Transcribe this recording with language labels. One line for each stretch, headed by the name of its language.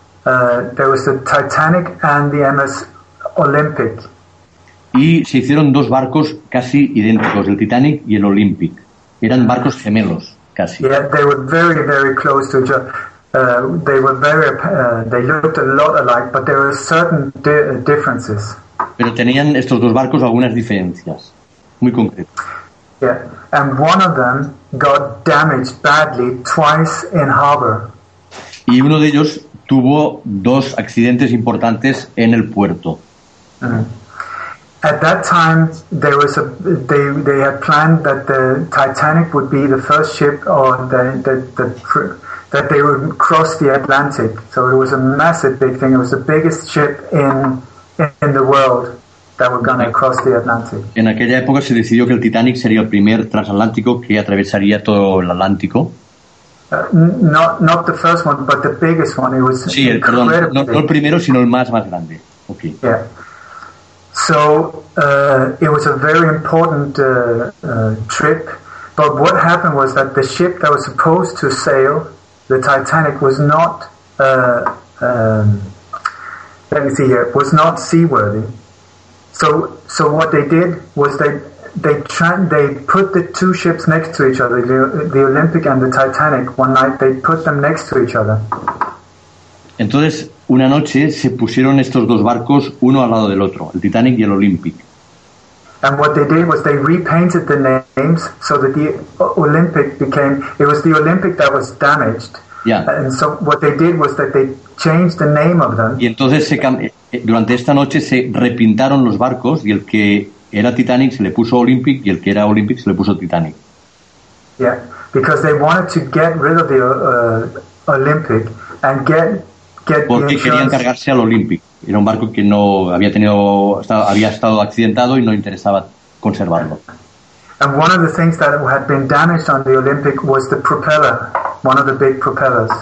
English: There was the Titanic and the MS Olympic.
Spanish: Y se hicieron dos barcos casi idénticos, el Titanic y el Olympic. Eran barcos gemelos, casi.
English: Yeah, they were very, very close to each other. They were very, they looked a lot alike, but there were certain differences.
Spanish: Pero tenían estos dos barcos algunas diferencias, muy concretas.
English: Yeah, and one of them got damaged badly twice in harbor.
Spanish: Y uno de ellos tuvo dos accidentes importantes en el puerto. Mm-hmm.
English: At that time, there was a they had planned that the Titanic would be the first ship or that they would cross the Atlantic. So it was a massive big thing. It was the biggest ship in the world that were going to cross the Atlantic.
Spanish: En aquella época se decidió que el Titanic sería el primer transatlántico que atravesaría todo el Atlántico.
English: Not the first one, but the biggest one. It was
Spanish: sí, el, perdón, no el primero, sino el más grande.
English: Okay. Yeah. So it was a very important trip, but what happened was that the ship that was supposed to sail, the Titanic, was not was not seaworthy. So what they did was they put the two ships next to each other, the Olympic and the Titanic. One night they put them next to each other.
Spanish: Entonces, una noche se pusieron estos dos barcos uno al lado del otro, el Titanic y el Olympic.
English: And what they did was they repainted the names so that the Olympic became, it was the Olympic that was damaged. Yeah. And so what they did was that they changed the name of them.
Spanish: Y entonces durante esta noche se repintaron los barcos y el que era Titanic se le puso Olympic y el que era Olympic se le puso Titanic.
English: Yeah, because they wanted to get rid of the Olympic and get
Spanish: Porque querían cargarse al Olympic. Era un barco que no había tenido, había estado accidentado y no interesaba conservarlo.
English: And one of the things that had been damaged on the Olympic was the propeller, one of the big propellers.